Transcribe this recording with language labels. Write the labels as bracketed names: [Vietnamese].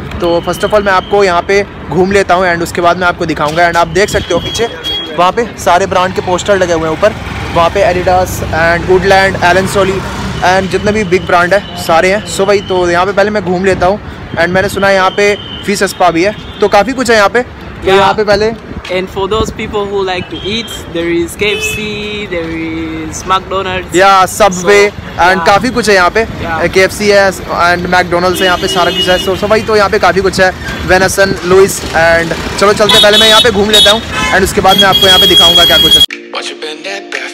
[Hindi] तो first of all मैं आपको यहाँ पे घूम लेता हूँ एंड उसके बाद मैं आपको दिखाऊंगा। एंड आप देख सकते हो पीछे वहाँ पे सारे ब्रांड के पोस्टर लगे हुए हैं ऊपर, वहाँ पे Adidas and Woodland, Elon Soli and जितने भी बिग ब्रांड है सारे हैं। सो भाई, तो यहाँ पे पहले मैं घूम लेता हूँ एंड मैंने सुना है यहाँ पे फी सस्पा भी है, तो काफ़ी कुछ है यहाँ पे। [English] Yeah. [Hindi] तो यहाँ पे पहले [English] And for those people who like to eat, there is KFC, there is McDonald's. [Hindi] Yeah, Subway and काफ़ी कुछ है यहाँ पे। [English] Yeah. [Hindi] KFC है एंड McDonald's है यहाँ पे, सारा कुछ है। सो भाई, तो यहाँ पे काफ़ी कुछ है, वेनेसन, लुइस एंड चलो चलते पहले मैं यहाँ पे घूम लेता हूँ एंड उसके बाद मैं आपको यहाँ पे दिखाऊंगा क्या कुछ है।